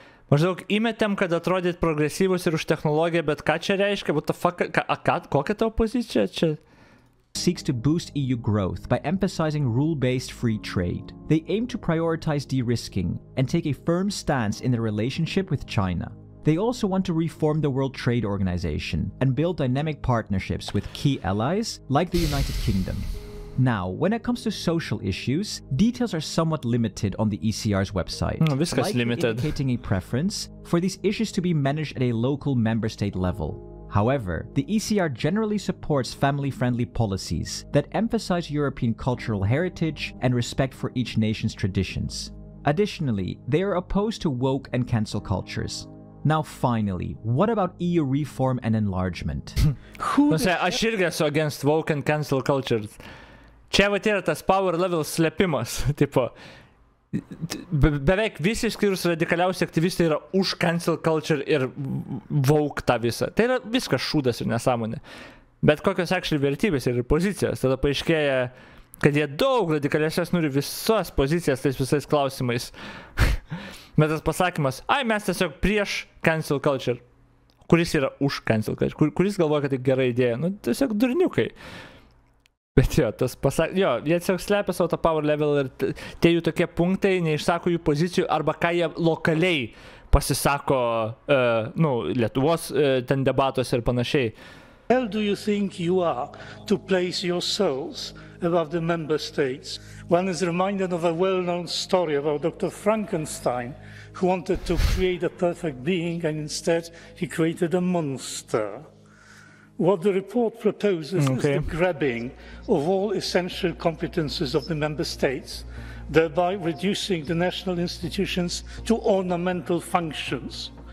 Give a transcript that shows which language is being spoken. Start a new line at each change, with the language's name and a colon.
Lithuanian: Maždaug įmetėm, kad atrodyt progresyvus ir už technologiją, bet ką čia reiškia?
English: What the fuck?
Lithuanian: Kokia tavo pozicija čia?
English: Seeks to boost EU growth by emphasizing rule-based free trade. They aim to prioritize de-risking and take a firm stance in their relationship with China. They also want to reform the World Trade Organization and build dynamic partnerships with key allies like the United Kingdom. Now, when it comes to social issues, details are somewhat limited on the ECR's website.
Lithuanian: Viskas limited.
English: Indicating a preference for these issues to be managed at a local member state level. However, the ECR generally supports family-friendly policies that emphasize European cultural heritage and respect for each nation's traditions. Additionally, they are opposed to woke and cancel cultures. Now finally, what about EU reform and enlargement?
Lithuanian: Aš irgi esu
English: against woke and cancel cultures.
Lithuanian: Čia vat yra tas power level slėpimas, tipo. Beveik visi išskyrus radikaliausi aktyvistai yra už cancel culture ir woke tą visą. Tai yra viskas šūdas ir nesąmonė. Bet kokios actually vertybės ir pozicijos. Tada paaiškėja, kad jie daug radikalesnės nori visos pozicijas tais visais klausimais. Bet tas pasakymas, ai mes tiesiog prieš cancel culture. Kuris yra už cancel culture? Kuris galvoja, kad tai gera idėja? Nu, tiesiog durniukai. Bet jo, tas jo, jie tiesiog slepia savo tą power level ir tie jų tokie punktai neišsako jų pozicijų arba ką jie lokaliai pasisako Lietuvos ten debatuose ir panašiai.
English: How do you think you are to place yourselves above the member states? One is reminded of a well-known story about Dr. Frankenstein who wanted to create a perfect being and instead he created a monster. What the report proposes okay. is the grabbing of all essential competences of the member states, thereby reducing the national institutions to ornamental functions.